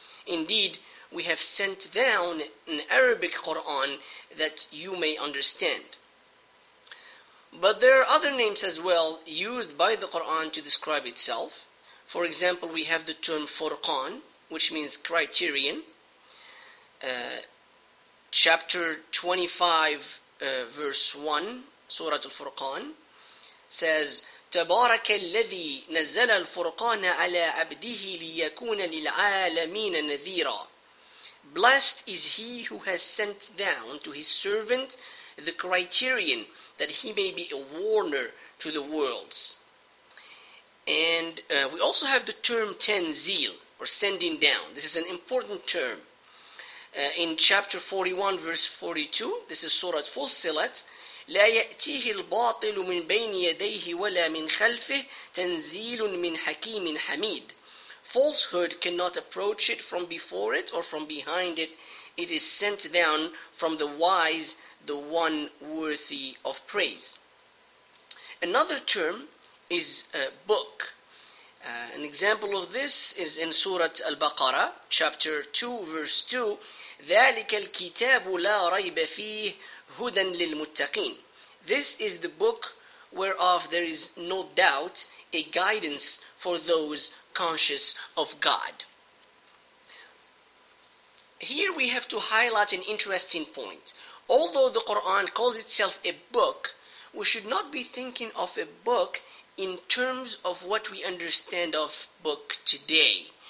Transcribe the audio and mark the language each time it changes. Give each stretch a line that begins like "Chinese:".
English: Indeed, we have sent down an Arabic Quran that you may understand. But there are other names as well used by the Quran to describe itself. For example, we have the term Furqan, which means criterion. Chapter 25, verse 1, Surah Al-Furqan, says,
Arabic: تبارك الذي نزل الفرقان على عبده ليكون للعالمين نذيرا.
English: Blessed is he who has sent down to his servant the criterion that he may be a warner to the worlds. And we also have the term tanzil, or sending down. This is an important term. In chapter 41, verse 42, this is Surah Fussilat,
Arabic: لا يأتيه الباطل من بين يديه ولا من خلفه تنزيل من حكيم حميد.
English: Falsehood cannot approach it from before it or from behind it. It is sent down from the wise, the one worthy of praise. Another term is a book. An example of this is in Surah Al-Baqarah, chapter 2, verse 2.
Arabic: ذلك الكتاب لا ريب فيه هدى للمتقين.
English: This is the book whereof there is no doubt, a guidance for those conscious of God. Here we have to highlight an interesting point. Although the Quran calls itself a book, we should not be thinking of a book in terms of what we understand of book today.